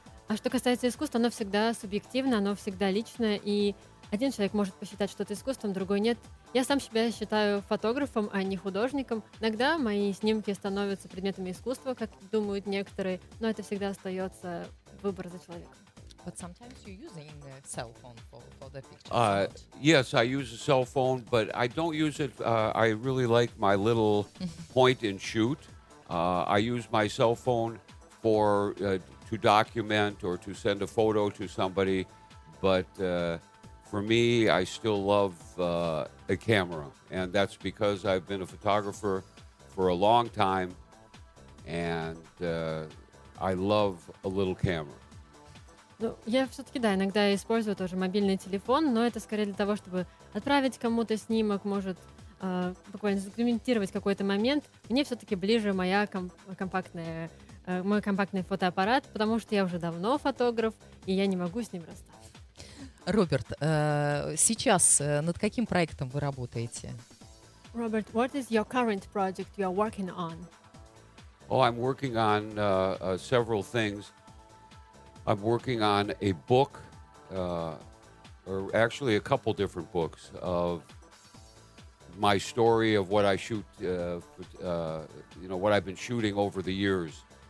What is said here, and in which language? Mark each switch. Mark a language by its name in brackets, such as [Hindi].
[Russian] А что касается искусства, оно всегда субъективно, оно всегда лично, и один человек может посчитать что-то искусством, другой нет. Я сам себя считаю фотографом, а не художником. Иногда мои снимки становятся предметами искусства, как думают некоторые, но это всегда остается выбор за человеком. [English] But sometimes you're using the cell phone for the pictures. Yes, I use a cell phone, but I don't use it. I really like my little point and shoot. I use my cell phone for to document or to send a photo to somebody, but for me, I still love a camera, and that's because I've been a photographer for a long time, and I love a little camera. [Russian] Ну, я все-таки, да, иногда использую тоже мобильный телефон, но это скорее для того, чтобы отправить кому-то снимок, может, буквально задокументировать какой-то момент. Мне все-таки ближе моя мой компактный фотоаппарат, потому что я уже давно фотограф, и я не могу с ним расстаться. Robert, сейчас над каким проектом вы работаете? [English] Robert, what is your current project you are working on? Oh, I'm working on several things. I'm working on a book, or actually a couple different books of my story of what I shoot, what I've been shooting over the years.